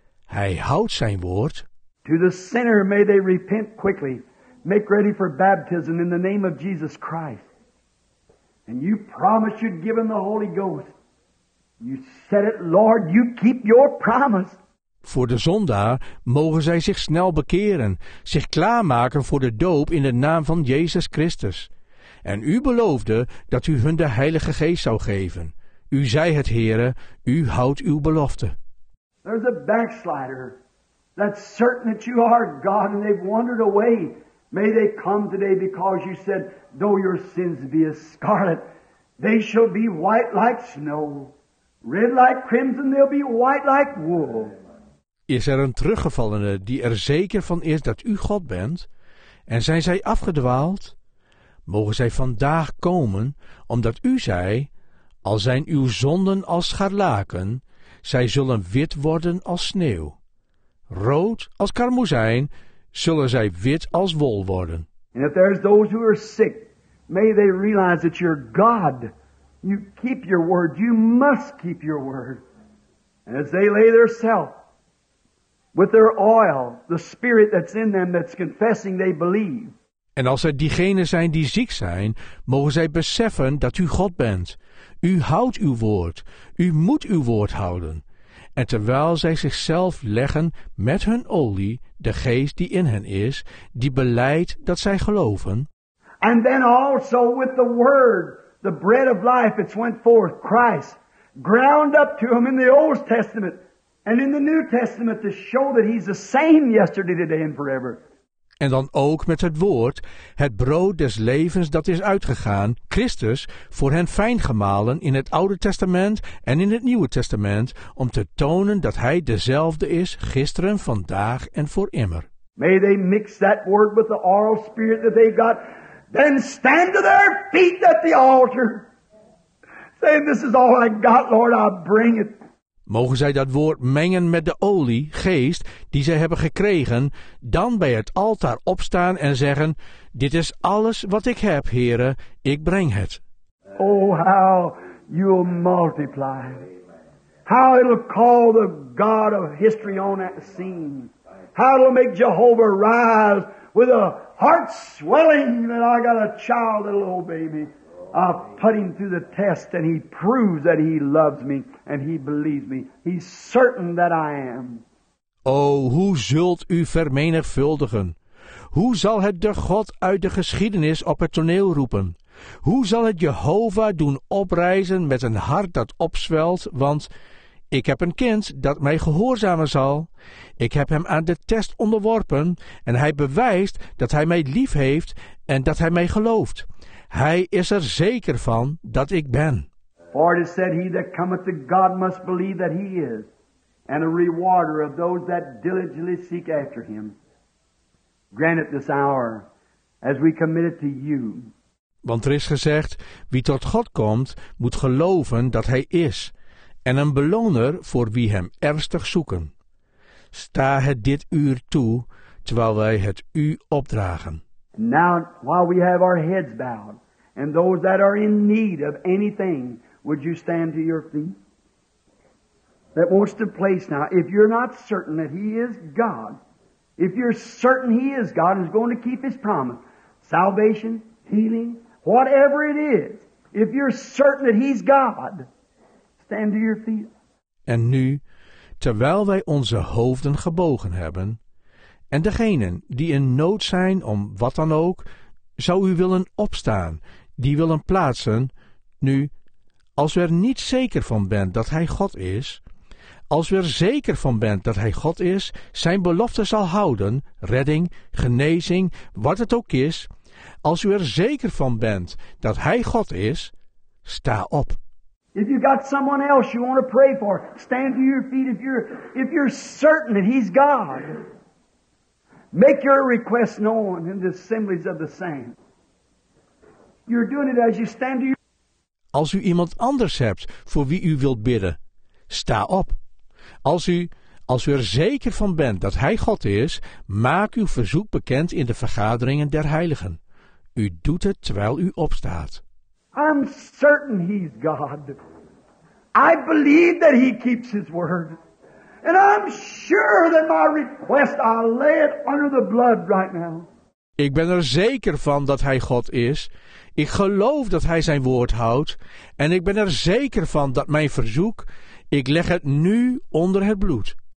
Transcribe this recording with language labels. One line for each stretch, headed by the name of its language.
Dutch: Hij houdt zijn woord.
English: To the sinner may they repent quickly. Make ready for baptism in the name of Jesus Christ. And you promised you'd give him the Holy Ghost. You said it, Lord, you keep your promise.
Dutch: Voor de zondaar mogen zij zich snel bekeren, zich klaarmaken voor de doop in de naam van Jezus Christus. En u beloofde dat u hun de Heilige Geest zou geven. U zei het, Heere, u houdt uw belofte.
English: There's a backslider that's certain that you are God and they've wandered away. May they come today because you said, though your sins be as scarlet, they shall be white like snow. Red like crimson, they'll be white like wool.
Dutch: Is er een teruggevallene die er zeker van is dat u God bent? En zijn zij afgedwaald? Mogen zij vandaag komen, omdat u zei, al zijn uw zonden als scharlaken, zij zullen wit worden als sneeuw. Rood als karmozijn, zullen zij wit als wol worden.
English: And if there's those who are sick, may they realize that you're God. You keep your word, you must keep your word. And as they lay their self, with their oil, the spirit that's in them that's confessing they believe.
Dutch: En als er diegenen zijn die ziek zijn, mogen zij beseffen dat u God bent. U houdt uw woord, u moet uw woord houden. En terwijl zij zichzelf leggen met hun olie, de geest die in hen is, die belijdt dat zij geloven.
English: And then also with the word, the bread of life, it's went forth, Christ, ground up to him in the Old Testament. And in the New Testament to show that he's the same yesterday, today and forever.
Dutch: En dan ook met het brood des levens dat is uitgegaan, Christus, voor hen fijn gemalen in het Oude Testament en in het Nieuwe Testament, om te tonen dat hij dezelfde is gisteren, vandaag en voor immer.
English: May they mix that word with the oral spirit that they've got, then stand to their feet at the altar, saying, this is all I got, Lord, I'll bring it.
Dutch: Mogen zij dat woord mengen met de olie, geest, die zij hebben gekregen, dan bij het altaar opstaan en zeggen, dit is alles wat ik heb, Heere, ik breng het.
English: Oh, how you'll multiply. How it'll call the God of history on that scene. How it'll make Jehovah rise with a heart swelling that I got a child that'll obey me. I'll put him through the test and he proves that he loves me and he believes me. He's certain that I am.
Dutch: O, hoe zult u vermenigvuldigen? Hoe zal het de God uit de geschiedenis op het toneel roepen? Hoe zal het Jehovah doen oprijzen met een hart dat opzwelt? Want ik heb een kind dat mij gehoorzamen zal. Ik heb hem aan de test onderworpen en hij bewijst dat hij mij lief heeft en dat hij mij gelooft. Hij is er zeker van dat ik ben.
English: For it is said, he that cometh to God must believe that he is, and a rewarder of those that diligently seek after him. Grant it this hour, as we commit it to you.
Dutch: Want er is gezegd, wie tot God komt, moet geloven dat hij is, en een beloner voor wie hem ernstig zoeken. Sta het dit uur toe, terwijl wij het u opdragen.
English: Now, while we have our heads bowed, and those that are in need of anything, would you stand to your feet? That wants to place now, if you're not certain that he is God, if you're certain he is God and is going to keep his promise, salvation, healing, whatever it is, if you're certain that He's God, stand to your feet.
Dutch: En nu, terwijl wij onze hoofden gebogen hebben, en degenen die in nood zijn om wat dan ook, zou u willen opstaan, die willen plaatsen, nu, als u er niet zeker van bent dat Hij God is, als u er zeker van bent dat Hij God is, zijn belofte zal houden, redding, genezing, wat het ook is, als u er zeker van bent dat Hij God is, sta op.
English: If you got someone else you want to pray for, stand to your feet. If you're certain that He's God, make your request known in the assemblies of the saints. You're doing it as you stand to your.
Dutch: Als u iemand anders hebt voor wie u wilt bidden, sta op. Als u er zeker van bent dat Hij God is, maak uw verzoek bekend in de vergaderingen der heiligen. U doet het terwijl u opstaat.
English: I'm certain He's God. I believe that He keeps His word. And I'm sure that my request, I'll lay it under the blood right now.
Dutch: Ik ben er zeker van dat Hij God is. Ik geloof dat Hij zijn woord houdt. En ik ben er zeker van dat mijn verzoek, ik leg het nu onder het bloed.